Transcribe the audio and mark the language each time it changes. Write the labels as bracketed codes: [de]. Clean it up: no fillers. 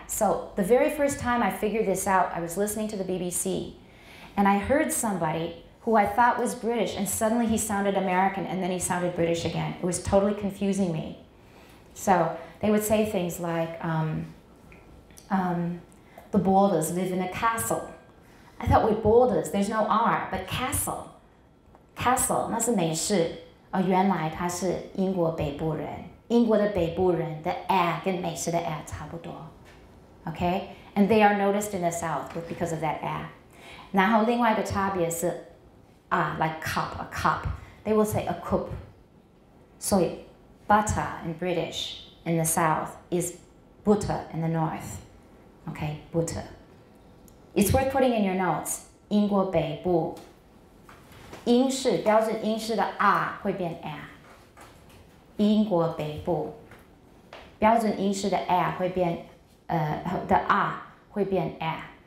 [en] So the very first time I figured this out, I was listening to the BBC, and I heard somebody who I thought was British, and suddenly he sounded American, and then he sounded British again. It was totally confusing me. So they would say things like, the Borders live in a castle. I thought with borders, there's no R, but castle. [zh] Castle, 那是美式。哦，原来他是英国北部人。英国的北部人的 A 跟美式的 A 差不多。 [en] Okay? And they are noticed in the South because of that A. [zh] 然后另外一个差别是 [en] A, like cup, a cup. They will say a cup. So butter in British in the South is butter in the North. Okay, butter. It's worth putting in your notes. [zh] 英国北部，英式标准英式的 R 会变 A. 英国北部，标准英式的 R 会变的 R 会变 A.